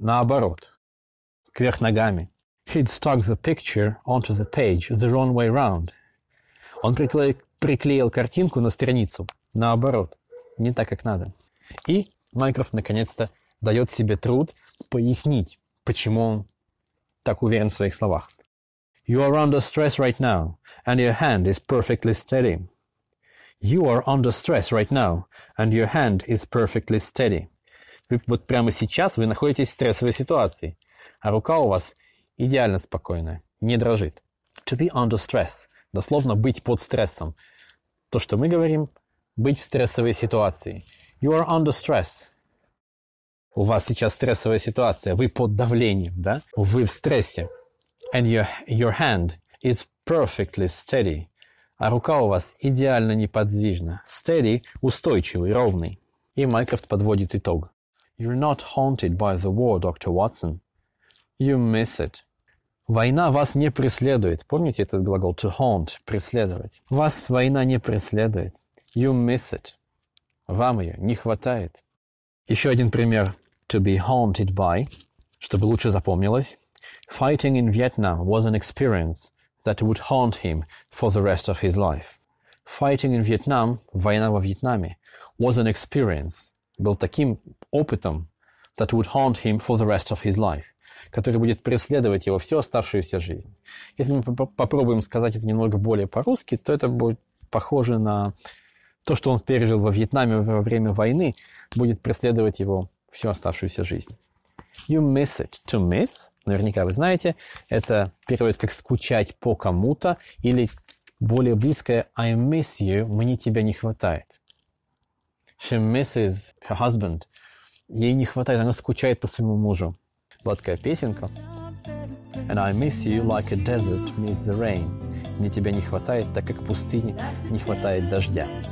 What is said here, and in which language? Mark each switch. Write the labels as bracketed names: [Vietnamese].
[Russian] Наоборот. Кверх ногами. [English] He'd stuck the picture onto the page. The wrong way round. [Russian] Он приклеил картинку на страницу. Наоборот. Не так, как надо. И Майкрофт наконец-то дает себе труд пояснить, почему он так уверен в своих словах. [English] You are under stress right now, and your hand is perfectly steady. You are under stress right now, and your hand is perfectly steady. [Russian] Вы, вот прямо сейчас вы находитесь в стрессовой ситуации, а рука у вас идеально спокойная, не дрожит. [English] To be under stress. [Russian] Дословно быть под стрессом. То, что мы говорим, быть в стрессовой ситуации. [English] You are under stress. [Russian] У вас сейчас стрессовая ситуация. Вы под давлением, да? Вы в стрессе. [English] And your hand is perfectly steady. [Russian] А рука у вас идеально неподвижна. Steady – устойчивый, ровный. И Майкрофт подводит итог. [English] You're not haunted by the war, Dr. Watson. You miss it. [Russian] Война вас не преследует. Помните этот глагол to haunt – преследовать? Вас война не преследует. [English] You miss it. [Russian] Вам ее не хватает. Еще один пример. [English] To be haunted by, [Russian] чтобы лучше запомнилось. [English] Fighting in Vietnam was an experience that would haunt him for the rest of his life. Fighting in Vietnam, [Russian] война во Вьетнаме, [English] was an experience, [Russian] был таким опытом, [English] that would haunt him for the rest of his life, [Russian] который будет преследовать его всю оставшуюся жизнь. Если мы попробуем сказать это немного более по-русски, то это будет похоже на то, что он пережил во Вьетнаме во время войны, будет преследовать его всю оставшуюся жизнь. [English] You miss it. [Russian] To miss, наверняка вы знаете, это переводит как скучать по кому-то, или более близкое [English] I miss you, [Russian] мне тебя не хватает. [English] She misses her husband. [Russian] Ей не хватает, она скучает по своему мужу. Сладкая песенка. [English] And I miss you like a desert miss the rain. [Russian] Мне тебя не хватает, так как пустыне не хватает дождя.